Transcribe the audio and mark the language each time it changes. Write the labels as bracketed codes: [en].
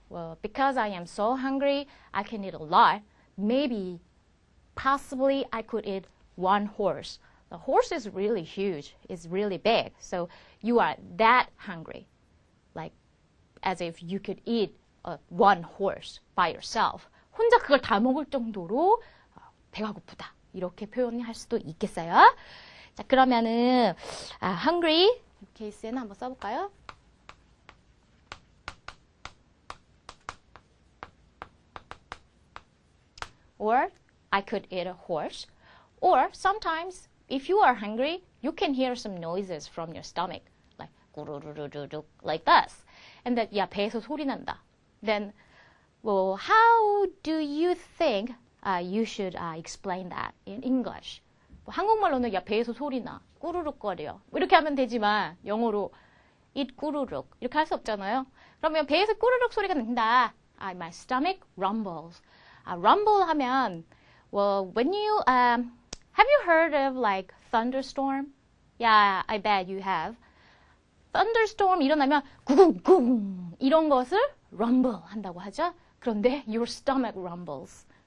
[en] Well, because I am so hungry, I can eat a lot. Maybe, possibly, I could eat one horse. The horse is really huge. It's really big. So you are that hungry. Like, as if you could eat one horse by yourself. [ko] 혼자 그걸 다 먹을 정도로 배가 고프다. 이렇게 표현을 할 수도 있겠어요. 자, 그러면은 hungry 케이스에는 한번 써볼까요? [en] Or I could eat a horse. Or sometimes if you are hungry, you can hear some noises from your stomach. Like 구루루루루루 like this. And that [ko] 야, 배에서 소리 난다. [en] Then, well, how do you think you should explain that in English? [ko] 뭐, 한국말로는 야, 배에서 소리 나. 꾸르륵거려. 이렇게 하면 되지만 영어로 it 꾸르륵 이렇게 할 수 없잖아요. 그러면 배에서 꾸르륵 소리가 난다. [en] My stomach rumbles. Rumble 하면 well, when you have you heard of like thunderstorm? Yeah, I bet you have. [ko] Thunderstorm 일어나면 구궁궁 이런 것을 rumble 한다고 하죠. 그런데 [en] your stomach rumbles.